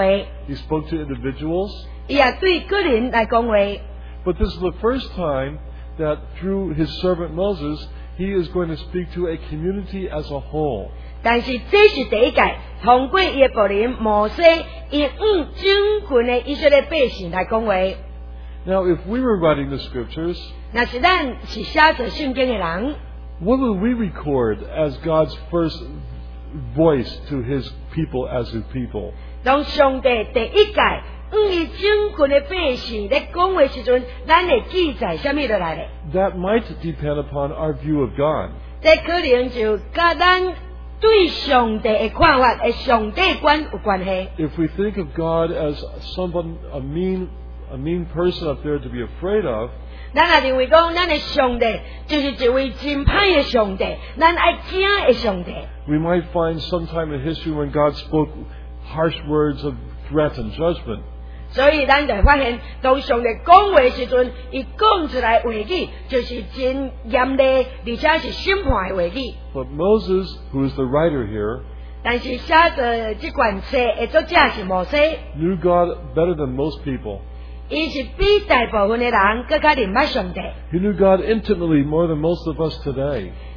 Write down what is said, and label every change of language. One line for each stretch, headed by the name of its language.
English: He spoke to individuals.
Min Nan Chinese: 伊也对个人来讲话。
English: But this is the first time that through his servant Moses, he is going to speak to a community as a whole.
Min Nan Chinese: 但是这是第一届，通过伊的仆人摩西，伊用整群的以色列百姓来讲话。
English: Now, if we were writing the scriptures,
Min Nan Chinese: 若是咱是写着圣经的人,
English: what would we record as God's first voice to His people as His people?
Min Nan Chinese: 当上帝第一届向伊拯救的百姓在讲话时阵，咱会记载什么落来的?
English: That might depend upon our view of God.
Min Nan Chinese: 这可能就甲咱对上帝的看法、的上帝观有关系。
English: If we think of God as someone a mean person up there to be afraid of,
Min Nan Chinese: 咱也认为讲咱的上帝就是一位真歹的上帝，咱爱惊的上帝。
English: We might find sometime in history when God spoke harsh words of threat and judgment.
Min Nan Chinese: 所以咱就发现，当上帝讲话时阵，伊讲出来话语就是真严厉，而且是审判的话语。
English: But Moses, who is the writer here,
Min Nan Chinese: 但是写着这卷册的作者是摩西
English: knew God better than most people. He knew God intimately more than most of us today.